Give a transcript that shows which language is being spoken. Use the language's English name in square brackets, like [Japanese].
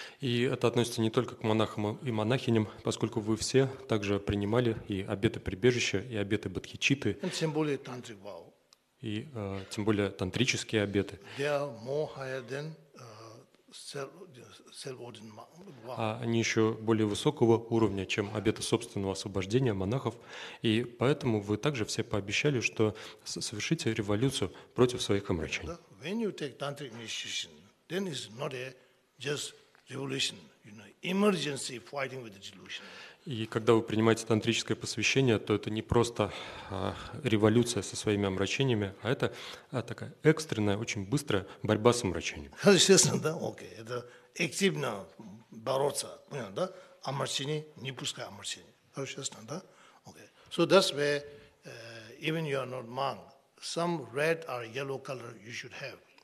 [Russian] И это относится не только к монахам и монахиням, поскольку вы все также принимали и обеты прибежища, и обеты бодхичитты. [English] And [Russian] тем более [English] tantric vow. [Russian] И тем более тантрические обеты. [English] They are more higher than self-ordained vow. [Russian] А они еще более высокого уровня, чем обеты собственного освобождения монахов. И поэтому вы также все пообещали, что совершите революцию против своих омрачений. [English] When you take tantric initiation, then it's not a just revolution, you know, emergency fighting with the delusion. [Russian] И когда вы принимаете тантрическое посвящение, то это не просто революция со своими омрачениями, а это такая экстренная, очень быстрая борьба с омрачением. Естественно, да? Окей. Это активно бороться. Понял, да? Омрачение, не пускай омрачение. Естественно, да? Окей. [English] So that's where, even you are not monk, some red or yellow color you should have.